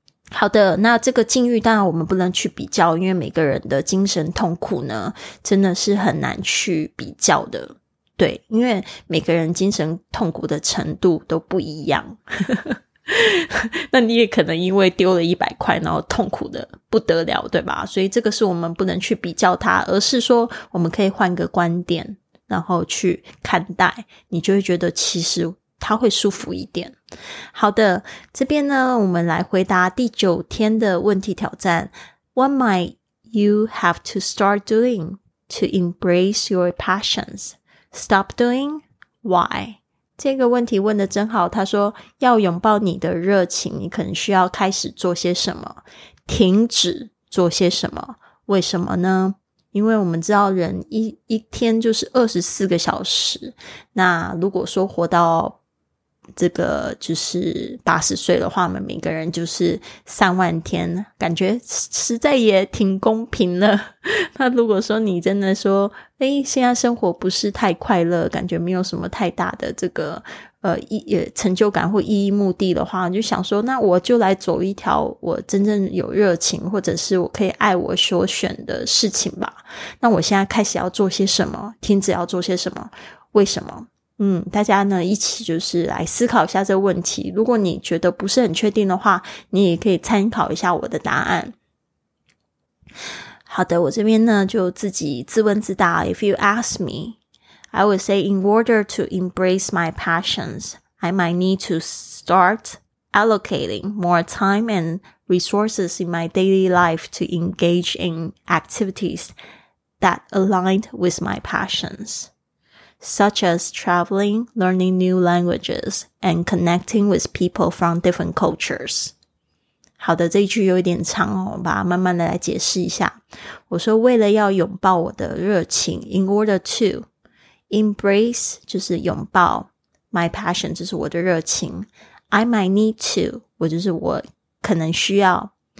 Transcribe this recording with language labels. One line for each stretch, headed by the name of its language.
Chinese: 好的，那这个境遇当然我们不能去比较，因为每个人的精神痛苦呢真的是很难去比较的，对，因为每个人精神痛苦的程度都不一样那你也可能因为丢了100块然后痛苦的不得了，对吧？所以这个是我们不能去比较它，而是说我们可以换个观点然后去看待，你就会觉得其实它会舒服一点。好的，这边呢我们来回答第九天的问题挑战。
English: What might you have to start doing to embrace your passions? Stop doing? Why?
Chinese: 这个问题问得真好，他说要拥抱你的热情，你可能需要开始做些什么，停止做些什么。为什么呢？因为我们知道人一天就是24个小时，那如果说活到这个就是80岁的话，我们每个人就是30000天，感觉实在也挺公平了。那如果说你真的说诶，现在生活不是太快乐，感觉没有什么太大的这个成就感或意义目的的话，你就想说那我就来走一条我真正有热情或者是我可以爱我所选的事情吧。那我现在开始要做些什么，停止要做些什么，为什么？大家呢一起就是来思考一下这个问题。如果你觉得不是很确定的话，你也可以参考一下我的答案。好的，我这边呢就自己自问自答。
English: If you ask me, I would say in order to embrace my passions, I might need to start allocating more time and resources in my daily life to engage in activities that aligned with my passions. Such as traveling, learning new languages, and connecting with people from different cultures.
Chinese: 好的，这一句有一点长哦，我把它慢慢的来解释一下。我说为了要拥抱我的热情 ,
English: in order to embrace,
Chinese: 就是拥抱
English: my passion,
Chinese: 就是我的热情 ,
English: I might need to,
Chinese: 我就是我可能需要